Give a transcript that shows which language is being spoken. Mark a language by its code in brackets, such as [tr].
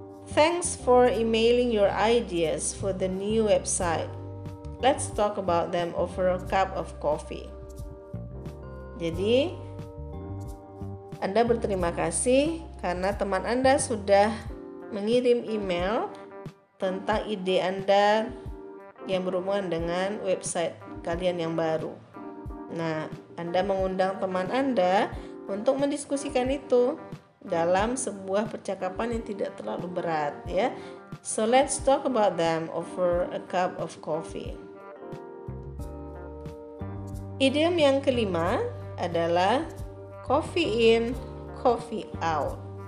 [en] Thanks for emailing your ideas for the new website. Let's talk about them over a cup of coffee. [id] Jadi, Anda berterima kasih karena teman Anda sudah mengirim email tentang ide Anda yang berhubungan dengan website kalian yang baru. Nah, Anda mengundang teman Anda untuk mendiskusikan itu dalam sebuah percakapan yang tidak terlalu berat, ya. [en] So let's talk about them over a cup of coffee. [id] Idiom yang kelima adalah [en] coffee in, coffee out.